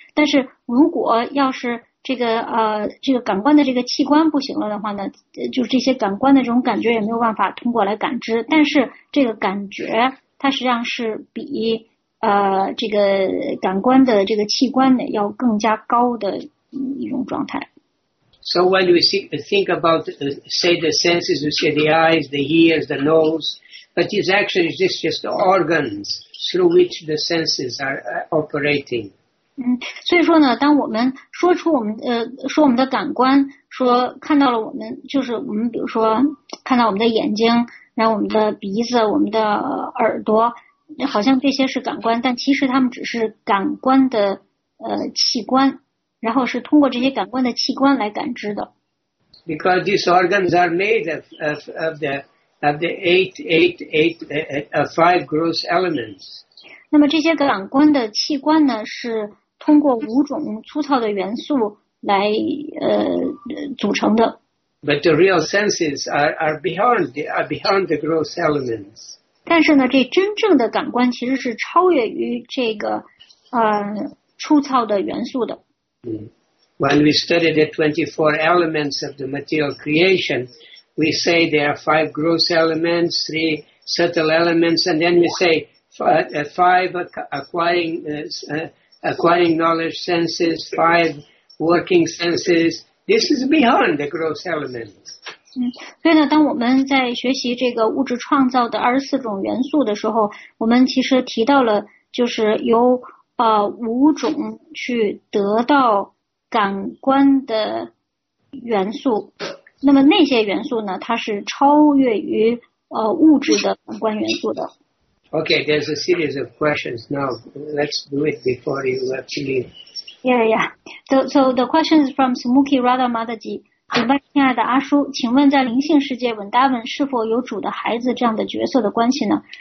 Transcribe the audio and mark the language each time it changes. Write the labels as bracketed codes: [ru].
[zh] 但是如果要是这个感官的这个器官不行了的话呢，就是这些感官的这种感觉也没有办法通过来感知。但是这个感觉它实际上是比这个感官的这个器官呢，要更加高的一种状态。 [en] So when we think about, say the senses, we say the eyes, the ears, the nose, but it's actually just the organs through which the senses are operating. [zh] 所以说呢，当我们说出我们说我们的感官，说看到了我们，就是我们比如说看到我们的眼睛，然后我们的鼻子，我们的耳朵。好像这些是感官，但其实他们只是感官的器官，然后是通过这些感官的器官来感知的。 [en] Because these organs are made of the of the five gross elements. [zh] 那么这些感官的器官呢，是通过五种粗糙的元素来组成的。 [en] But the real senses are beyond the gross elements. [zh] 但是呢，这真正的感官其实是超越于这个粗糙的元素的。 [en] When we study the 24 elements of the material creation, we say there are five gross elements, three subtle elements, and then we say five acquiring knowledge senses, five working senses. This is beyond the gross elements. [zh] 所以呢，当我们在学习这个物质创造的24种元素的时候，我们其实提到了就是由五种去得到感官的元素，那么那些元素呢，它是超越于物质的感官元素的。 [en] Okay, there's a series of questions now. Let's do it before you have to leave. Yeah, yeah. So the question is from Smoky Radha Mataji. [zh] 请问亲爱的阿叔，请问在灵性世界，文达文是否有主的孩子这样的角色的关系呢？